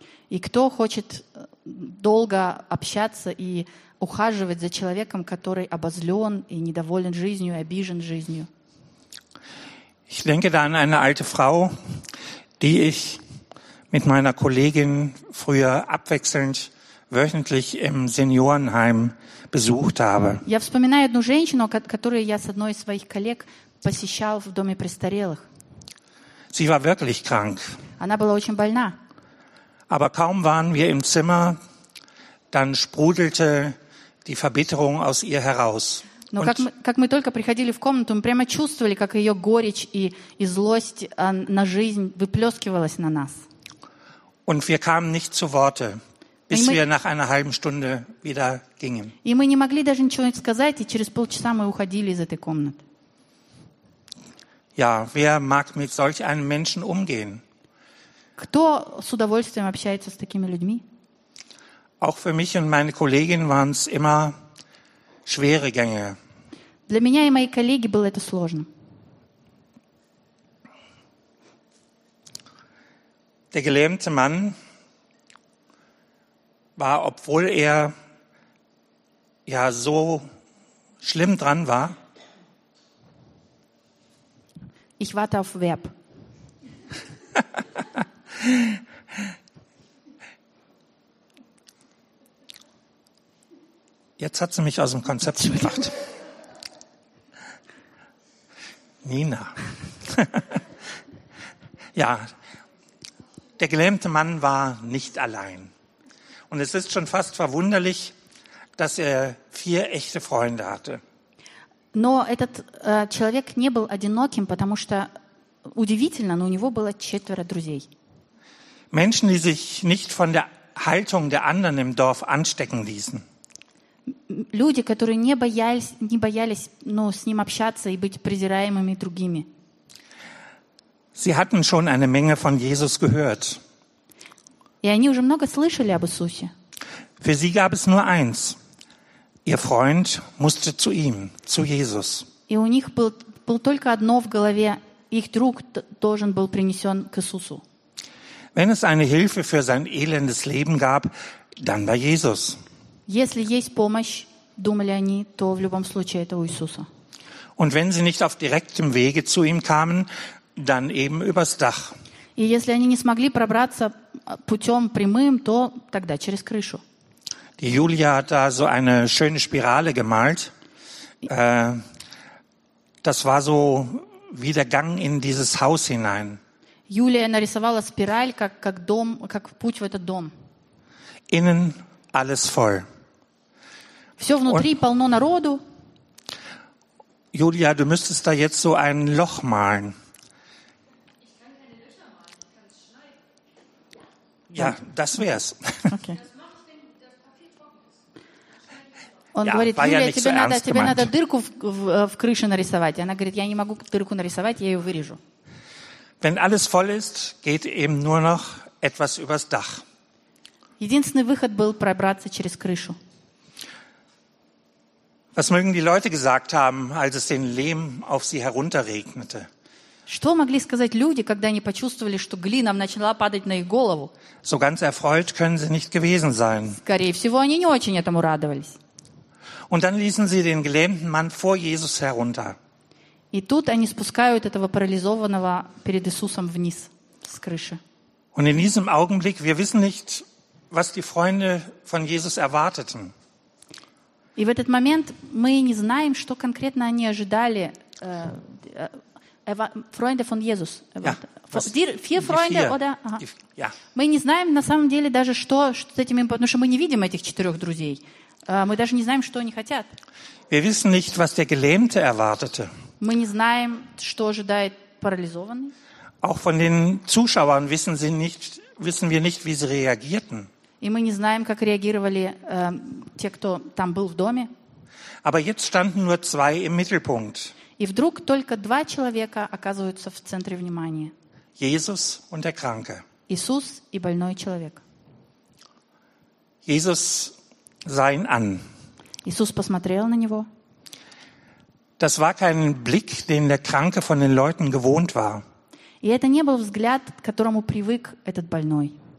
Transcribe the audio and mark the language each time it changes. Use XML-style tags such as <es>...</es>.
<ru>И кто хочет долго общаться и ухаживать за человеком, который обозлен и недоволен жизнью, и обижен жизнью?</ru> <de>Ich denke da an eine alte Frau, die ich mit meiner Kollegin früher abwechselnd wöchentlich im Seniorenheim besucht habe.</de> <ru>Я вспоминаю одну женщину, которую я с одной из своих коллег посещал в доме престарелых.</ru> <de>Sie war wirklich krank.</de> <ru>Она была очень больна.</ru> <de>Aber kaum waren wir im Zimmer, dann sprudelte die Verbitterung aus ihr heraus.</de> <ru>Но как мы только приходили в комнату, мы прямо чувствовали, как ее горечь и злость на жизнь выплескивалась на нас.</ru> <de>Und wir kamen nicht zu Worte, bis wir nach einer halben Stunde wieder gingen.</de> <ru>И мы не могли даже ничего сказать, и через полчаса мы уходили из этой комнаты.</ru> <de>Ja, wer mag mit solch einem Menschen umgehen?</de> <ru>Кто с удовольствием общается с такими людьми?</ru> <de>Auch für mich und meine Kollegin waren es immer schwere Gänge.</de> <ru>Для меня и моей коллеги было это сложно.</ru> <de>Der gelähmte Mann war, obwohl er ja so schlimm dran war. Ich warte auf Verb. Jetzt hat sie mich aus dem Konzept gebracht. Nina. Ja, der gelähmte Mann war nicht allein. Und es ist schon fast verwunderlich, dass er 4 echte Freunde hatte.</de> <ru>Но этот человек не был одиноким, потому что удивительно, но у него было 4 друзей.</ru> <de>Menschen, die sich nicht von der Haltung der anderen im Dorf anstecken ließen.</de> <ru>Люди, которые не боялись, ну, с ним общаться и быть презираемыми другими.</ru> <de>Sie hatten schon eine Menge von Jesus gehört.</de> <ru>И они уже много слышали об Иисусе.</ru> <de>Für sie gab es nur eins. Ihr Freund musste zu ihm, zu Jesus.</de> <ru>И у них был только одно в голове. Их друг должен был принесен к Иисусу.</ru> <de>Wenn es eine Hilfe für sein elendes Leben gab, dann war Jesus.</de> <ru>Если есть помощь, думали они, то в любом случае это у Иисуса.</ru> <de>Und wenn sie nicht auf direktem Wege zu ihm kamen, dann eben übers Dach.</de> <ru>И если они не смогли пробраться путем прямым, то тогда через крышу.</ru> <de>Die Julia hat da so eine schöne Spirale gemalt. Das war so wie der Gang in dieses Haus hinein.</de> <ru>Юлия нарисовала спираль, как дом, как путь в этот дом.</ru> <de>Innen alles voll.</de> <ru>Все внутри</ru> <de>und</de> <ru>полно народу.</ru> <de>Julia, du müsstest da jetzt so ein Loch malen. Ich kann keine Löcher malen, kann es schneiden. Ja, das wär's. Okay. Und</de> <ru>говорит, Юлия, тебе надо дырку в крыше нарисовать. Она говорит, я не могу дырку нарисовать, я ее вырежу.</ru> <de>Wenn alles voll ist, geht eben nur noch etwas übers Dach.</de> <ru>Единственный выход был пробраться через крышу.</ru> <de>Was mögen die Leute gesagt haben, als es den Lehm auf sie herunterregnete?</de> <ru>Что могли сказать люди, когда они почувствовали, что глина начала падать на их голову?</ru> <de>So ganz erfreut können sie nicht gewesen sein.</de> <ru>Скорее всего, они не очень этому радовались.</ru> <de>Und dann ließen sie den gelähmten Mann vor Jesus herunter.</de> <ru>И тут они спускают этого парализованного перед Иисусом вниз с крыши.</ru> <de>Und in diesem Augenblick, wir wissen nicht, was die Freunde von Jesus erwarteten.</de> <ru>И в этот момент мы не знаем, что конкретно они ожидали.</ru> <de>Freunde von Jesus. Vier Freunde, oder?</de> <ru>Мы не знаем на самом деле даже, что с этими, потому что мы не видим этих 4 друзей. Мы даже не знаем, что они хотят.</ru> <de>Wir wissen nicht, was der Gelähmte erwartete.</de> <ru>Мы не знаем, что ожидает парализованный.</ru> <de>Auch von den Zuschauern wissen wir nicht, wie sie reagierten.</de> <ru>И мы не знаем, как реагировали те, кто там был в доме.</ru> <de>Aber jetzt standen nur 2 im Mittelpunkt.</de> <ru>И вдруг только 2 человека оказываются в центре внимания.</ru> <de>Jesus und der Kranke.</de> <ru>Иисус и больной человек.</ru> <de>Jesus sah ihn an.</de> <ru>Иисус посмотрел на него.</ru> <de>Das war kein Blick, den der Kranke von den Leuten gewohnt war.</de> <ru>И это не был взгляд, к которому привык этот больной.</ru>